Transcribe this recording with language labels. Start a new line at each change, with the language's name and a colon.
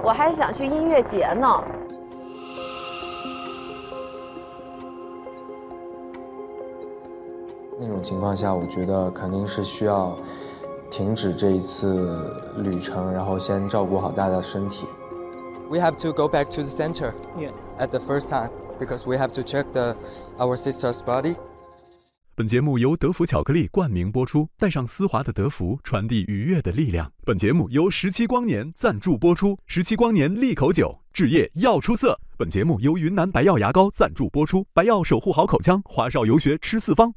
Chinese: 我还想去音乐节呢。那种情况下，我觉得肯定是需要停止这一次旅程，然后先照顾好大家的身体。
English: We have to go back to the center. Yeah. At the first time, because we have to check our sister's body.
Chinese: 本节目由德芙巧克力冠名播出，带上丝滑的德芙，传递愉悦的力量。本节目由十七光年赞助播出，十七光年利口酒，治液要出色。本节目由云南白药牙膏赞助播出，白药守护好口腔，华少游学吃四方。